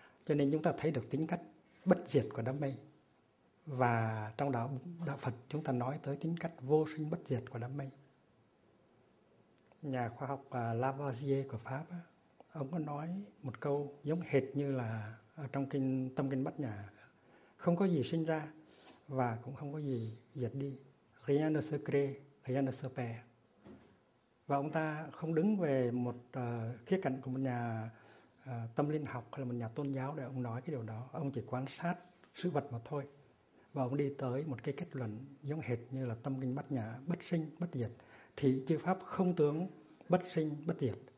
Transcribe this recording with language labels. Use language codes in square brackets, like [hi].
[vi] Cho nên chúng ta thấy được tính cách bất diệt của đám mây. Và trong đạo Phật chúng ta nói tới tính cách vô sinh bất diệt của đám mây. Nhà khoa học Lavoisier của Pháp á, ông có nói một câu giống hệt như là ở trong kinh Tâm Kinh Bát Nhã: không có gì sinh ra và cũng không có gì diệt đi. [fr] Rien ne se crée, rien ne se perd. [vi] Và ông ta không đứng về một khía cạnh của một nhà tâm linh học hay là một nhà tôn giáo để ông nói cái điều đó. Ông chỉ quan sát sự vật mà thôi. Và ông đi tới một cái kết luận giống hệt như là Tâm Kinh Bát Nhã: bất sinh, bất diệt. Thì chư pháp không tướng, bất sinh, bất diệt.